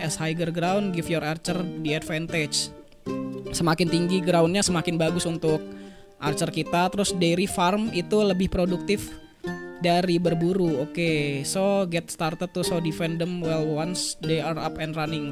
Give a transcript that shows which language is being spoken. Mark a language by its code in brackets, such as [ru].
[en] As higher ground, give your archer the advantage. [id] Semakin tinggi groundnya semakin bagus untuk archer kita. Terus dairy farm itu lebih produktif dari berburu. [en] Oke, so get started to so defend them well once they are up and running.